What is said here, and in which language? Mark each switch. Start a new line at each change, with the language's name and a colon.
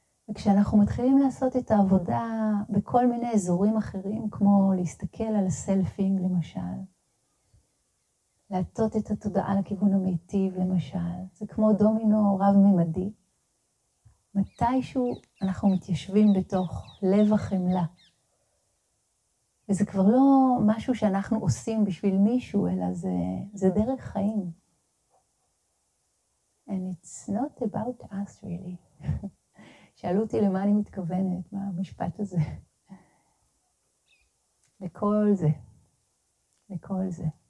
Hebrew: וכשאנחנו מתחילים לעשות את העבודה בכל מיני אזורים אחרים, כמו להסתכל על הסלפים למשל, להטות את התודעה לכיוון המיטיב למשל, זה כמו דומינו רב-ממדי, מתישהו אנחנו מתיישבים בתוך לב החמלה. וזה כבר לא משהו שאנחנו עושים בשביל מישהו, אלא זה דרך חיים.
English: And it's not about us really.
Hebrew: שאלו אותי למה אני מתכוונת, מה המשפט הזה. לכל זה. לכל זה.